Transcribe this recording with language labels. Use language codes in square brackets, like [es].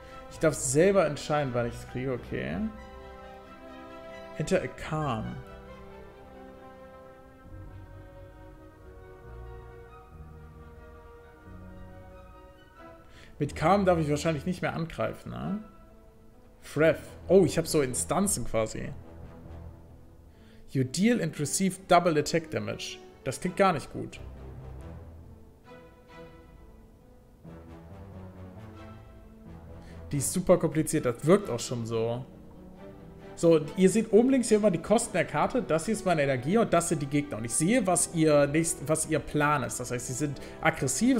[de] Ich darf selber entscheiden, wann ich es kriege. Okay. [en] Enter a Khan. [de] Mit Khan darf ich wahrscheinlich nicht mehr angreifen, ne? Fref. Oh, ich habe so Instanzen quasi. [en] You deal and receive double attack damage. [de] Das klingt gar nicht gut. Die ist super kompliziert. Das wirkt auch schon so. So, und ihr seht oben links hier immer die Kosten der Karte. Das hier ist meine Energie und das sind die Gegner. Und ich sehe, was ihr Plan ist. Das heißt, sie sind aggressiv.